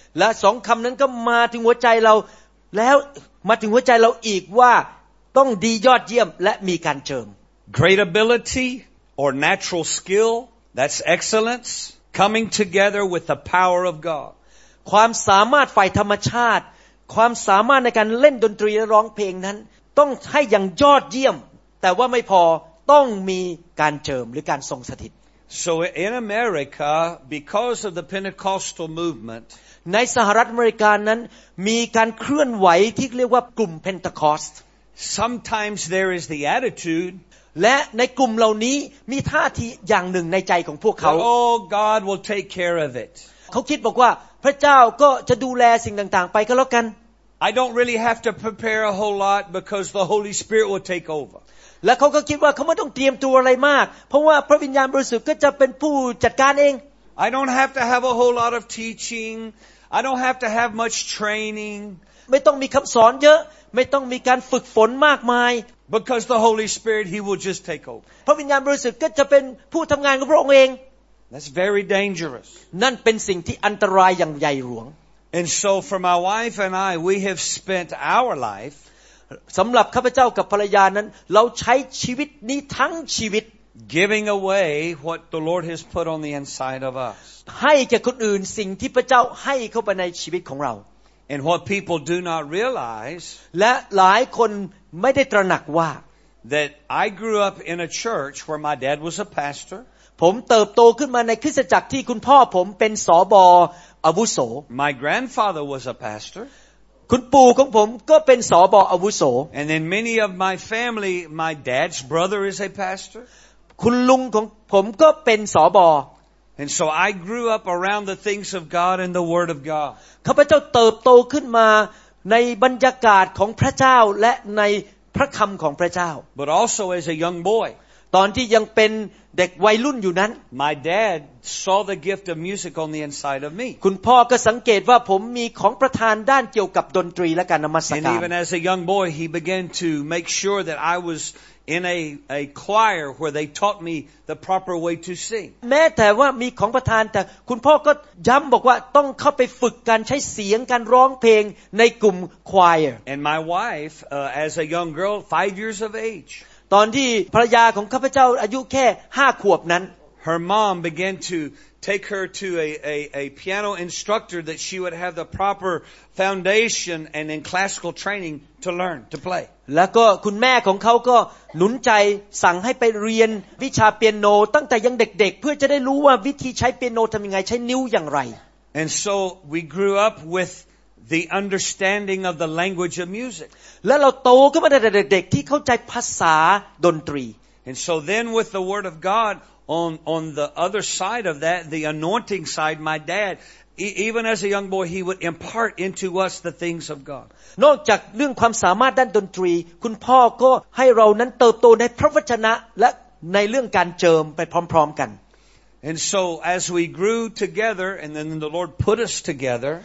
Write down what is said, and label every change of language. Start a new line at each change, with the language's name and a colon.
Thai: และสองคำนั้นก็มาถึงหัวใจเราแล้วมาถึงหัวใจเราอีกว่าต้องดียอดเยี่ยมและมีการเจิม
English: Great ability or natural skillThat's excellence coming together with the power of God.
Thai: ความสามารถฝ่ายธรรมชาติความสามารถในการเล่นดนตรีและร้องเพลงนั้นต้องให้อย่างยอดเยี่ยมแต่ว่าไม่พอต้องมีการเจิมหรือการทรงสถิต
English: So in America because of the Pentecostal movement
Thai: ในสหรัฐอเมริกานั้นมีการเคลื่อนไหวที่เรียกว่ากลุ่มเพนเทคอสต์
English: Sometimes there is the attitude
Thai: และในกลุ่มเหล่านี้มีท่าทีอย่างหนึ่งในใจของพวกเขา
English: Oh God will take care of it
Thai: เขาคิดบอกว่าพระเจ้าก็จะดูแลสิ่งต่างๆไปก็แล้วกัน
English: I don't really have to prepare a whole lot because the Holy Spirit will take over
Thai: และเขาก็คิดว่าเขาไม่ต้องเตรียมตัวอะไรมากเพราะว่าพระวิญญาณบริสุทธิ์ก็จะเป็นผู้จัดการเอง
English: I don't have to have a whole lot of teaching I don't have to have much training
Thai: ไม่ต้องมีคำสอนเยอะไม่ต้องมีการฝึกฝนมากมาย
English: Because the Holy Spirit, He will just take over.
Thai: เพราะวิญญาณบริสุทธิ์ก็จะเป็นผู้ทำงานของพระองค์เอง
English: That's very dangerous.
Thai: นั่นเป็นสิ่งที่อันตรายอย่างใหญ่หลวง
English: And so for my wife and I, we have spent our life.
Thai: สำหรับข้าพเจ้ากับภรรยานั้นเราใช้ชีวิตนี้ทั้งชีวิต
English: Giving away what the Lord has put on the inside of us.
Thai: ให้แก่คนอื่นสิ่งที่พระเจ้าให้เข้าไปในชีวิตของเรา
English: And what people do not realize
Thai: และหลายคนไม่ได้ตระหนักว่า
English: that I grew up in a church where my dad was a pastor
Thai: ผมเติบโตขึ้นมาในคริสตจักรที่คุณพ่อผมเป็นสบอาวุโส
English: my grandfather was a pastor
Thai: คุณปู่ของผมก็เป็นสบอาวุโส
English: and then many of my family my dad's brother is a pastor
Thai: คุณลุงของผมก็เป็นสบอ
English: And so I grew up around the things of God and the Word of God.
Thai: ข้าพเจ้าเติบโตขึ้นมาในบรรยากาศของพระเจ้าและในพระคำของพระเจ้า
English: But also as a young boy.
Thai: ตอนที่ยังเป็นเด็กวัยรุ่นอยู่นั้น
English: My dad saw the gift of music on the inside of me.
Thai: คุณพ่อก็สังเกตว่าผมมีของประทานด้านเกี่ยวกับดนตรีและการนมัสการ
English: And even as a young boy, he began to make sure that I wasin a choir where they taught me the proper way to sing
Thai: แม้แต่ว่ามีของประทานแต่คุณพ่อก็ย้ําบอกว่าต้องเข้าไปฝึกการใช้เสียงการร้องเพลงในกลุ่ม choir
English: and my wife as a young girl 5 years of age
Thai: ตอนที่ภรรยาของข้าพเจ้าอายุแค่5ขวบนั้น
English: her mom began to take her to a piano instructor that she would have the proper foundation and in classical training to learn to play
Thai: แล้วก็คุณแม่ของเขาก็หนุนใจสั่งให้ไปเรียนวิชาเปียโนตั้งแต่ยังเด็กๆเพื่อจะได้รู้ว่าวิธีใช้เปียโนทำยังไงใช้นิ้วอย่างไร
English: And so we grew up with the understanding of the language of music
Thai: และเราโตขึ้นมาในเด็กๆที่เข้าใจภาษาดนตรี
English: And so then with the word of God on the other side of that the anointing side my dadeven as a young boy he would impart into us the things of god
Thai: นอกจากเรื่องความสามารถด้านดนตรีคุณพ่อก็ให้เรานั้นเติบโตในพระวจนะและในเรื่องการเจิมไปพร้อมๆกัน
English: and so as we grew together and then the lord put us together